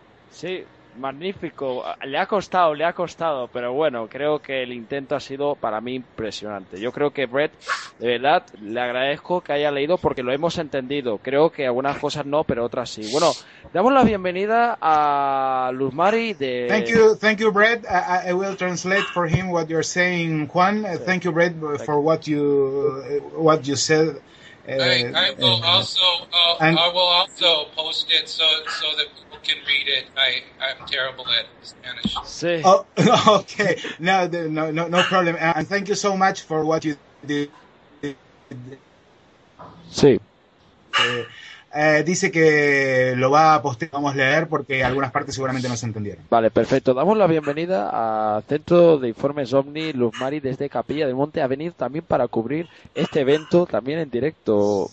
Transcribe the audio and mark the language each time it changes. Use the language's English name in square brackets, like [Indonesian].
[Spanish] Sí, magnífico. Le ha costado, pero bueno, creo que el intento ha sido para mí impresionante. Yo creo que Brett, de verdad, le agradezco que haya leído porque lo hemos entendido. Creo que algunas cosas no, pero otras sí. Bueno, damos la bienvenida a Luz Mari de... [English] Thank you, Brett. I will translate for him what you're saying, Juan. Thank you, Brett, for what you said. I will also post it so that people can read it. I'm terrible at Spanish. [Spanish] Sí. [English] Oh, okay. No problem. And thank you so much for what you did. [Spanish] Sí. Dice que lo va a postear, vamos a leer, porque algunas partes seguramente no se entendieron. Vale, perfecto. Damos la bienvenida a Centro de Informes OVNI, Luz Mari, desde Capilla del Monte, a venir también para cubrir este evento también en directo.